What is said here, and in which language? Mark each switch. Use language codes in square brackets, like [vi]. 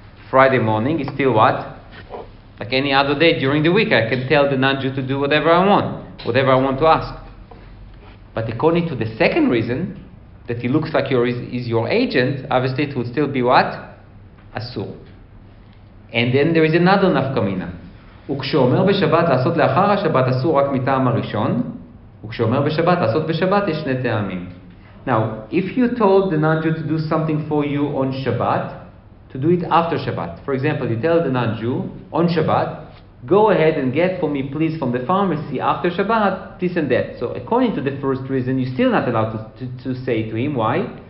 [en] Friday morning is still what? Like any other day during the week, I can tell the non-Jew to do whatever I want, whatever I want to ask. But according to the second reason, that he looks like is your agent, obviously it would still be what? Asur. And then there is another nafkamina. [he] וכשאומר בשבת לעשות לאחר השבת אסור רק מטעם הראשון, וכשאומר בשבת לעשות בשבת יש שני טעמים. [en] Now, if you told the non-Jew to do something for you on Shabbat, to do it after Shabbat. For example, you tell the non-Jew on Shabbat, go ahead and get for me, please, from the pharmacy after Shabbat, this and that. So according to the first reason, you're still not allowed to say to him. Why?